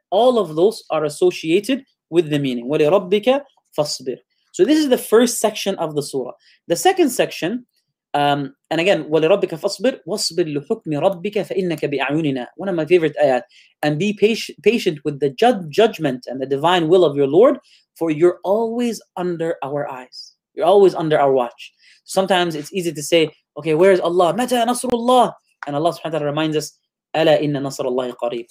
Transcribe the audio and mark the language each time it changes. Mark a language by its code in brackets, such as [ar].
[en] All of those are associated with the meaning. [ar] وَلِرَبِّكَ فَصْبِرْ. [en] So this is the first section of the surah. The second section, and again, [ar] وَلِرَبِّكَ فَصْبِرْ وَصْبِرْ لِحُكْمِ رَبِّكَ فَإِنَّكَ بِأَعْيُنِنَا. [en] One of my favorite ayat. And be patient with the judgment and the divine will of your Lord, for you're always under our eyes. You're always under our watch. Sometimes it's easy to say, okay, where is Allah? [ar] مَتَى نَصْرُ اللَّهِ. [en] And Allah subhanahu wa ta'ala reminds us, [ar] أَلَا إِنَّ نَصْرَ اللَّهِ قَرِيبٌ.